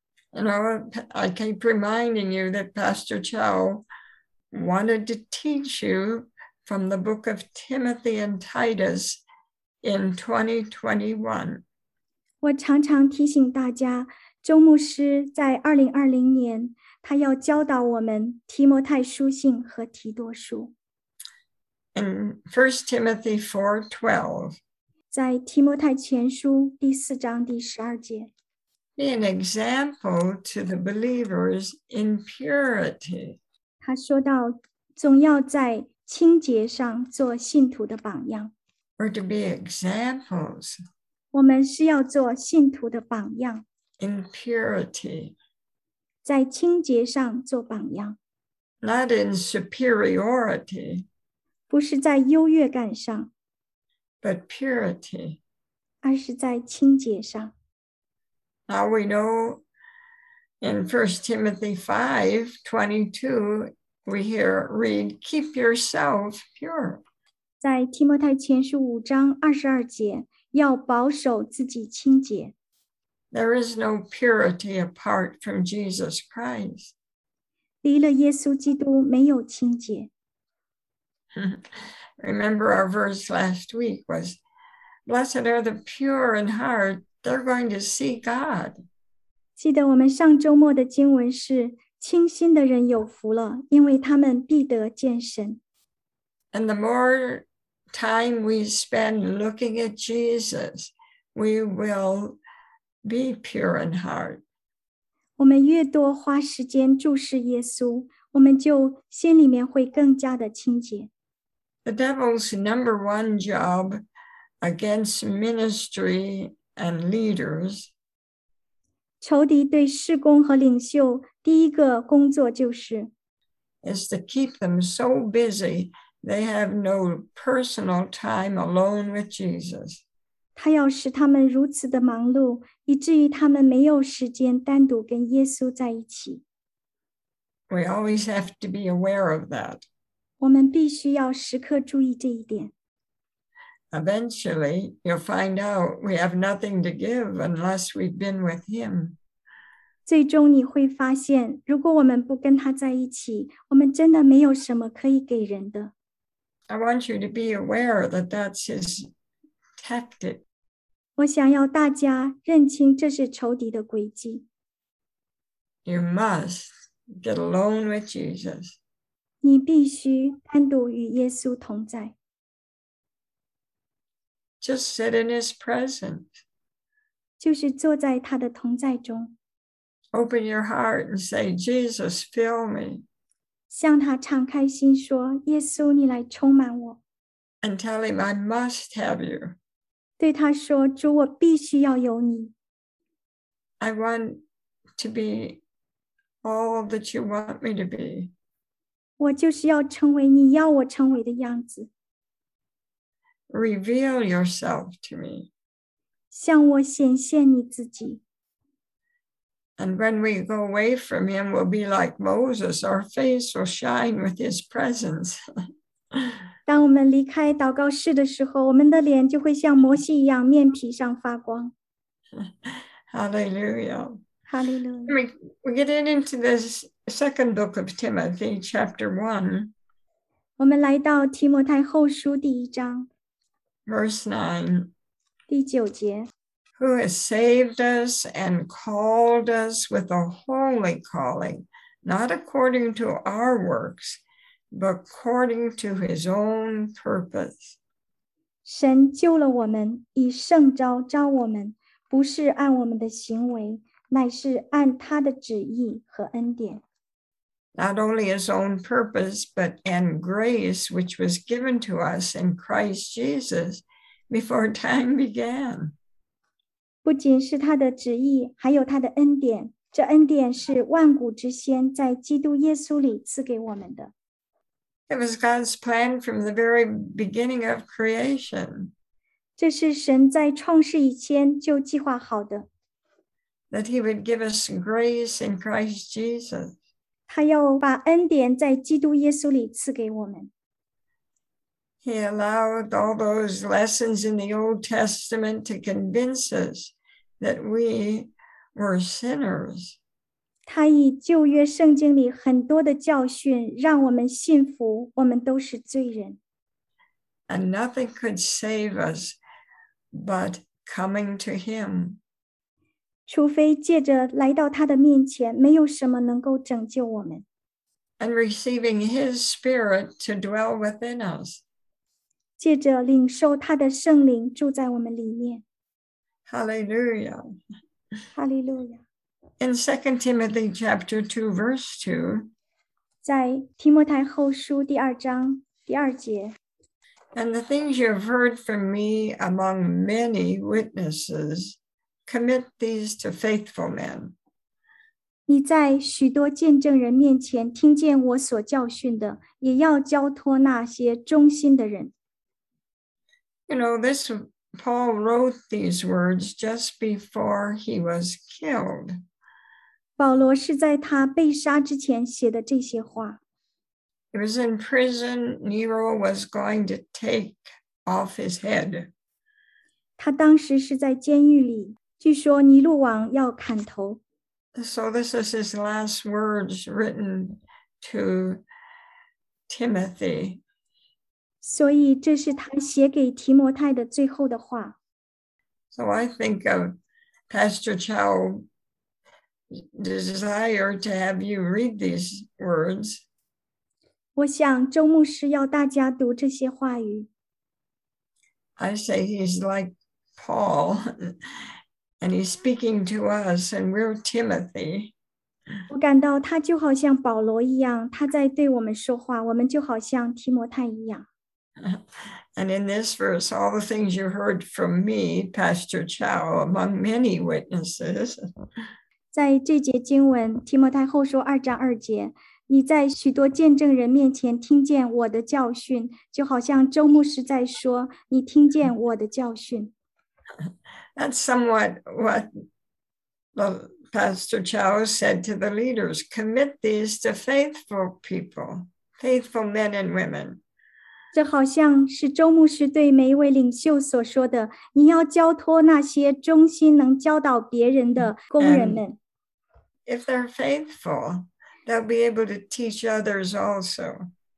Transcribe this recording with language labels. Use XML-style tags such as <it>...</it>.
<en>And I keep reminding you that Pastor Chow wanted to teach you from the book of Timothy and Titus in 2021.</en> <zh>我常常提醒大家，周牧师在2020年，他要教导我们提摩太书信和提多书。</zh> <en>In 1 Timothy 4:12.</en> <zh>在提摩太前书第四章第十二节。</zh> <en>Be an example to the believers in purity.</en> <zh>他说到，总要在清洁上做信徒的榜样。</zh> <en>We're to be examples.</en> <zh>我们是要做信徒的榜样。</zh> <en>In purity.</en> <zh>在清洁上做榜样。</zh> <en>Not in superiority.</en> <zh>不是在优越感上。</zh> <en>But purity.</en> <zh>而是在清洁上。</zh> <en>Now we know in 1 Timothy 5:22, we hear read, keep yourself pure.</en> <zh>在提摩太前书五章二十二节，要保守自己清洁。</zh> <en>There is no purity apart from Jesus Christ.</en> <zh>离了耶稣基督没有清洁。</zh> <en>Remember our verse last week was, blessed are the pure in heart, They're going to see God.</en> <zh>记得我们上周末的经文是，清心的人有福了，因为他们必得见神。</zh> <en>And the more time we spend looking at Jesus, we will be pure in heart.</en> <zh>我们越多花时间注视耶稣，我们就心里面会更加的清洁。</zh> <en>The devil's number one job against ministry and leaders.</en> <zh>仇敌对事工和领袖第一个工作就是</zh> <en>is to keep them so busy they have no personal time alone with Jesus.</en> <zh>他要使他们如此的忙碌，以至于他们没有时间单独跟耶稣在一起。</zh> <en>We always have to be aware of that.</en> <zh>我们必须要时刻注意这一点。</zh> <en>Eventually, you'll find out we have nothing to give unless we've been with him.</en> <zh>最终你会发现，如果我们不跟他在一起，我们真的没有什么可以给人的。</zh> <en>I want you to be aware that that's his tactic.</en> <zh>我想要大家认清这是仇敌的诡计。</zh> <en>You must get alone with Jesus.</en> <zh>你必须单独与耶稣同在。</zh> <en>Just sit in his presence.</en> <zh>就是坐在他的同在中。</zh> <en>Open your heart and say, Jesus, fill me.</en> <zh>向他敞开心说，耶稣，你来充满我。</zh> <en>And tell him, I must have you.</en> <zh>对他说，主，我必须要有你。</zh> <en>I want to be all that you want me to be.</en> <zh>我就是要成为你要我成为的样子。</zh> <en>Reveal yourself to me.</en> <zh>向我显现你自己。</zh> <en>And when we go away from him, we'll be like Moses. Our face will shine with his presence.</en> <zh>当我们离开祷告室的时候，我们的脸就会像摩西一样，面皮上发光。</zh> <en>Hallelujah.</en> <zh>Hallelujah.</zh> <en>We get into this second book of Timothy, chapter 1.</en> <zh>我们来到提摩太后书第一章。</zh> <en>Verse 9,</en> <zh>第九节,</zh> <en>who has saved us and called us with a holy calling, not according to our works, according to his own purpose.</en> <zh>神救了我们，以圣召召我们，不是按我们的行为，乃是按他的旨意和恩典。</zh> <en>Not only his own purpose, but in grace which was given to us in Christ Jesus before time began.</en> <zh>不仅是他的旨意，还有他的恩典。这恩典是万古之先在基督耶稣里赐给我们的。</zh> <en>It was God's plan from the very beginning of creation.</en> <zh>这是神在创世以前就计划好的。</zh> <en>That he would give us grace in Christ Jesus.</en> <zh>他要把恩典在基督耶稣里赐给我们。</zh> <en>He allowed all those lessons in the Old Testament to convince us that we were sinners.</en> <zh>他以旧约圣经里很多的教训让我们信服我们都是罪人。</zh> <en>And nothing could save us but coming to him.</en> <zh>除非借着来到他的面前，没有什么能够拯救我们。</zh> <en>And receiving his spirit to dwell within us.</en> <zh>借着领受他的圣灵住在我们里面。</zh> <en>Hallelujah.</en> <zh>Hallelujah.</zh> <en>In 2 Timothy chapter 2, verse 2,</en> <zh>在提摩太后书第二章第二节,</zh> <en>And the things you have heard from me among many witnesses, commit these to faithful men.</en> <zh>你在许多见证人面前听见我所教训的，也要交托那些忠心的人。</zh> <en>You know, this Paul wrote these words just before he was killed.</en> <zh>保罗是在他被杀之前写的这些话。</zh> <en>He was in prison. Nero was going to take off his head.</en> <zh>他当时是在监狱里，据说尼禄王要砍头。</zh> <en>So this is his last words written to Timothy.</en> <zh>所以这是他写给提摩太的最后的话。</zh> <en>So I think of Pastor Chow's desire to have you read these words.</en> <zh>我想周牧师要大家读这些话语。</zh> <en>I say he's like Paul, and he's speaking to us, and we're Timothy.</en> <zh>我感到他就好像保罗一样，他在对我们说话，我们就好像提摩太一样。</zh> <en>And in this verse, all the things you heard from me, Pastor Chow, among many witnesses.</en> <zh>在这节经文，提摩太后书二章二节，你在许多见证人面前听见我的教训，就好像周牧师在说，你听见我的教训。</zh> <en>That's somewhat what Pastor Chow said to the leaders. Commit these to faithful people, faithful men and women.</en> <zh>这好像是周牧师对每一位领袖所说的，你要交托那些忠心能教导别人的工人们。</zh> <en>And、if they're faithful, they'll be able to teach others also.</en>